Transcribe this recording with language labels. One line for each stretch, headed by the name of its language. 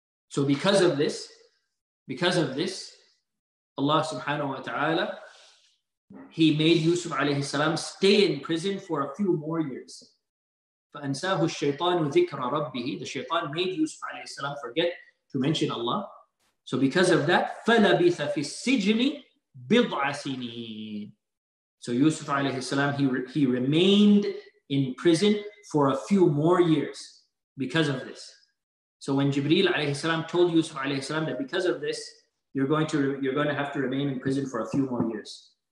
English: So because of this, Allah subhanahu wa ta'ala, he made Yusuf alayhi salam stay in prison for a few more years.
Arabic: فَأَنْسَاهُ الشَّيْطَانُ ذِكْرَ رَبِّهِ.
English: The shaitan made Yusuf alayhi salam forget to mention Allah. So because of that,
Arabic: فَلَبِثَ فِي السِّجْنِ بِضْعَ سِنِينَ.
English: So Yusuf alayhi salam, he remained in prison for a few more years because of this. So when Jibreel alayhi salam told Yusuf alayhi salam that because of this, you're going to have to remain in prison for a few more years.